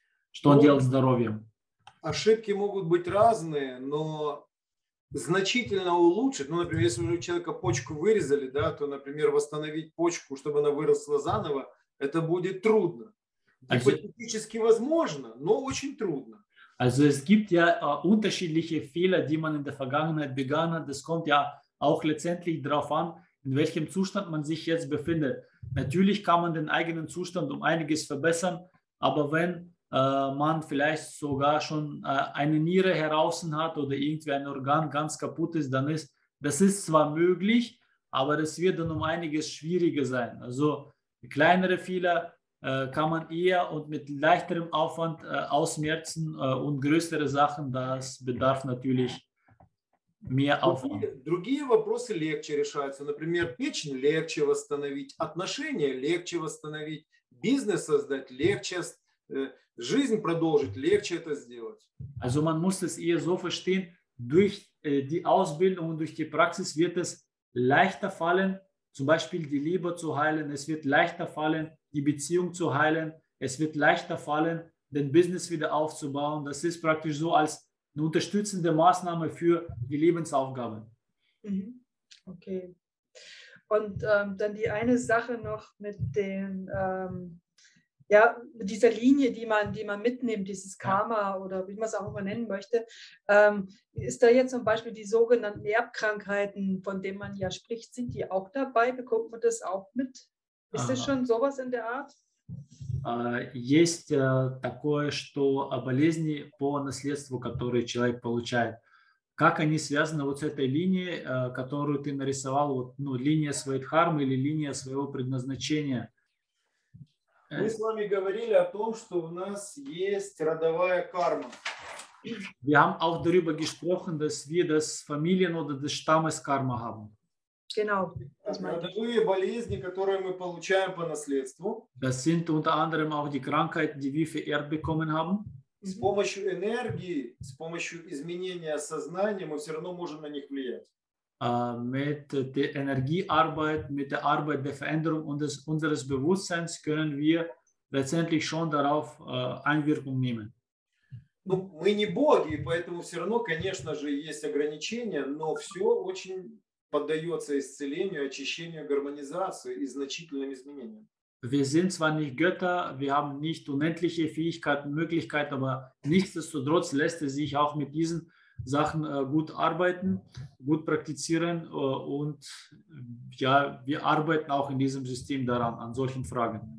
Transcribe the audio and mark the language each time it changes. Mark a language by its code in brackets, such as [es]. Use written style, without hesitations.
[ru] Что он делает с здоровьем? Ошибки могут быть разные, но значительно улучшить, ну, например, если у человека почку вырезали, да, то, например, восстановить почку, чтобы она выросла заново, это будет трудно. Теоретически возможно, но очень трудно. [de] Also es gibt ja unterschiedliche Fehler, die man in der Vergangenheit begangen hat. Das kommt ja auch letztendlich darauf an, in welchem Zustand man sich jetzt befindet. Natürlich kann man den eigenen Zustand um einiges verbessern, aber wenn man vielleicht sogar schon eine Niere heraus hat oder irgendwie ein Organ ganz kaputt ist, dann ist das ist zwar möglich, aber das wird dann um einiges schwieriger sein. Also kleinere Fehler kann man eher und mit leichterem Aufwand ausmerzen und größere Sachen, das bedarf natürlich mehr Aufwand. [ru] Другие вопросы легче решаются. Например, печень легче восстановить, отношения легче восстановить, бизнес создать легче, жизнь продолжить легче это сделать. [de] Also man muss es eher so verstehen, durch die Ausbildung und durch die Praxis wird es leichter fallen, zum Beispiel die Leber zu heilen, es wird leichter fallen, die Beziehung zu heilen, es wird leichter fallen, den Business wieder aufzubauen. Das ist praktisch so als eine unterstützende Maßnahme für die Lebensaufgaben. Okay. Und dann die eine Sache noch mit den, ja, dieser Linie, die man mitnimmt, dieses Karma oder wie man es auch immer nennen möchte, ist da jetzt zum Beispiel die sogenannten Erbkrankheiten, von denen man ja spricht, sind die auch dabei? Bekommt man das auch mit? Ist das schon sowas in der Art? [ru] Есть такое, что болезни по наследству, которые человек получает. Как они связаны вот с этой линией, которую ты нарисовал, вот, ну, линия своей дхармы или линия своего предназначения? Мы с вами говорили о том, что у нас есть родовая карма. [de] Wir haben auch darüber gesprochen, dass wir das Familien- oder das Stammeskarma haben. Genau. [ru] Болезни, которые мы получаем по наследству. [de] Das sind unter anderem auch die Krankheiten, die wir vererbt bekommen haben. [ru] С помощью энергии, с помощью изменения сознания, мы все равно можем на них влиять. [de] Mit der Energiearbeit, mit der Arbeit der Veränderung unseres Bewusstseins können wir letztendlich schon darauf Einwirkung nehmen. [ru] Ну, мы не боги, поэтому все равно, конечно же, есть ограничения, но все очень поддается исцелению, очищению, гармонизации и значительным изменениям. [de] Wir sind zwar nicht Götter, wir haben nicht unendliche Fähigkeiten, Möglichkeiten, aber nichtsdestotrotz lässt es sich auch mit diesen Sachen gut arbeiten, gut praktizieren und ja, wir arbeiten auch in diesem System daran, an solchen Fragen.